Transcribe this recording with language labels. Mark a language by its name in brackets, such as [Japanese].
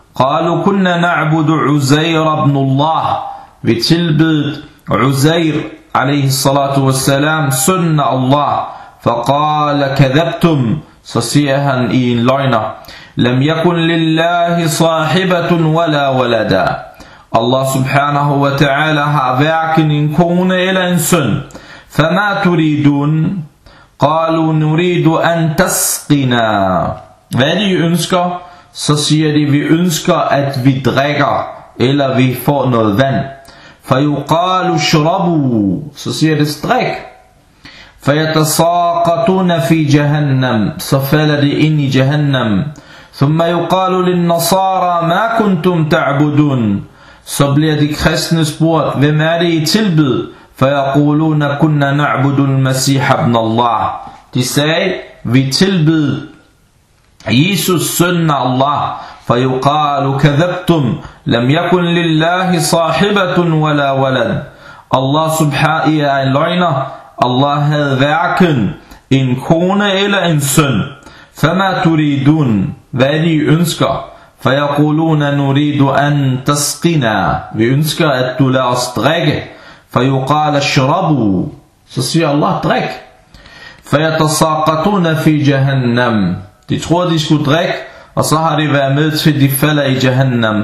[Arabic] قَالُ كُنَّ نَعْبُدُ عُزَيْرَ بْنُ اللَّهِ [Danish] Vi tilbyd Uzair, alaihi salatu wassalam, sønne Allah. [Arabic] فَقَالَ كَذَبْتُمْ [Danish] Så siger han i en løgner. [Arabic] لَمْ يَكُنْ لِلَّهِ صَاحِبَةٌ وَلَا وَلَدَا [Danish] Allah subhanahu wa ta'ala har hverken en kone eller en søn. [Arabic] فَمَا تُرِيدُونَ قَالُوا نُرِيدُ أَن تَسْقِنَا [Danish] Hvad er det, I ønsker? Så siger de, vi ønsker, at vi drikker, eller vi får noget vand. [Arabic] فَيُقَالُوا شُرَبُوا [Danish] Så siger de, drik. [Arabic] فَيَتَسَاقَتُونَ فِي جَهَنَّمْ [Danish] Så falder de ind i Jahannam. [Arabic] ثُمَّ يُقَالُوا لِلنَّصَارَى مَا كُنْتُمْ تَعْبُدُونَ [Danish] Så bliver de kristne spurgt, hvem er det, I tilbyd? [Arabic] فَيَقُولُونَ كُنَّ نَعْبُدُ الْمَسِيحَ بْنَ اللَّهِ [Danish] De sagde, vi tilbyd Jesus sønne Allah. [Arabic] فَيُقَالُ كَذَبْتُمْ لَمْ يَكُنْ لِلَّهِ صَاحِبَةٌ وَلَا وَلَدْ [Danish] Allah subhanahu wa ta'ala løgner. Allah havde hverken en kone eller en søn. [Arabic] فَمَا تُرِيدُونَ [Danish] Hvad er det, I ønsker? [Arabic] فَيَقُولُونَ نُرِيدُ أَن تَسْقِنَا [Danish] Vi ønsker, at du lader os drikke. [Arabic] فَيُقَالَ اشْرَبُوا [Danish] Så siger Allah, drik. [Arabic] فَيَتَسَاقَتُونَ فِي جَهَنَّمْ [Danish] De tror, de skulle drikke, og så har de været med til, de falder i Jahannam.